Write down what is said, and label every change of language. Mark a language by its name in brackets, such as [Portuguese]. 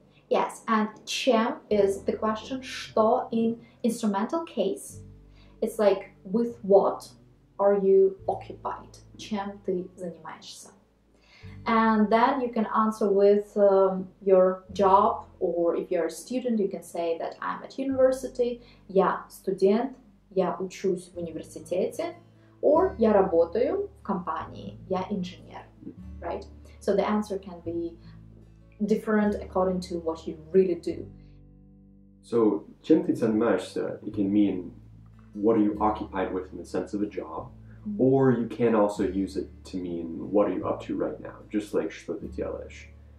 [English] Yes, and чем is the question, что in instrumental case. It's like, with what are you occupied? [Russian] Чем ты занимаешься? [English] And then you can answer with your job, or if you're a student, you can say that I'm at university. [Russian] Я студент, я учусь в университете. Or я работаю в компании, я инженер. [English] Right? So the answer can be different according to what you really do. So, [Russian] чем ты занимаешься, [English] it can mean what are you occupied with in the sense of a job, mm-hmm. or you can also use it to mean what are you up to right now, just like [Russian] что ты делаешь.